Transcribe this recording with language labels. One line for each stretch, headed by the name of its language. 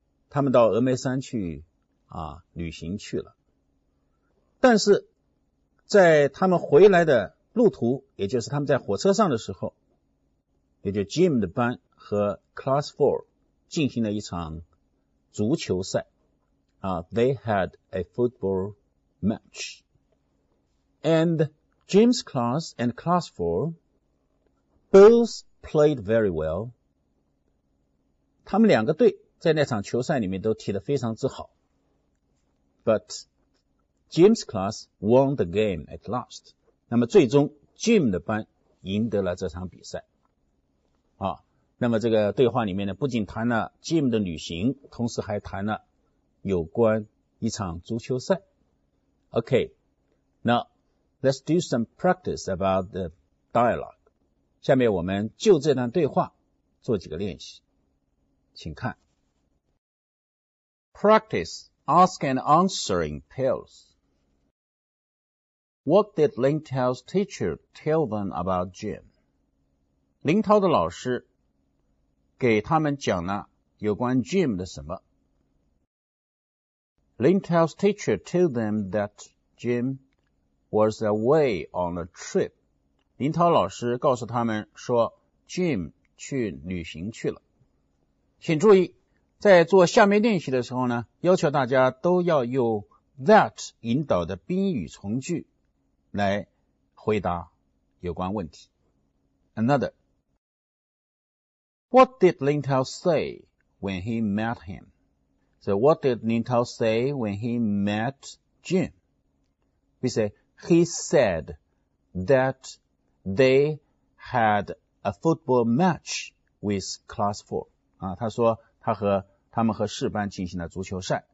Chinese: 他们到峨眉山去旅行去了。但是在他们回来的路途，也就是他们在火车上的时候，也就是 Jim 的班和 Class 4进行了一场足球赛。
English: They had a football match. And Jim's class and Class 4 both played very well.
Chinese: 他们两个队在那场球赛里面都踢得非常之好。
English: But Jim's class won the game at last.
Chinese: 那么最终 Jim 的班赢得了这场比赛。那么这个对话里面呢，不仅谈了 Jim 的旅行，同时还谈了有关一场足球赛。
English: Okay, now,Let's do some practice about the dialogue.
Chinese: 下面我们就这段对话做几个练习。请看。
English: Practice ask and answering pairs. What did Lin Tao's teacher tell them about Jim?
Chinese: 林涛的老师给他们讲了有关 Jim 的什么？
English: Lin Tao's teacher told them that Jim... was away on a trip.
Chinese: 林涛老师告诉他们说 Jim 去旅行去了。请注意，在做下面练习的时候呢，要求大家都要用 that 引导的宾语从句来回答有关问题。
English: Another. What did Lin Tao say when he met him? So what did Lin Tao say when he met Jim? We say,He said that they had a football match with class 4.
Chinese: 他说他们和士班进行了足球赛。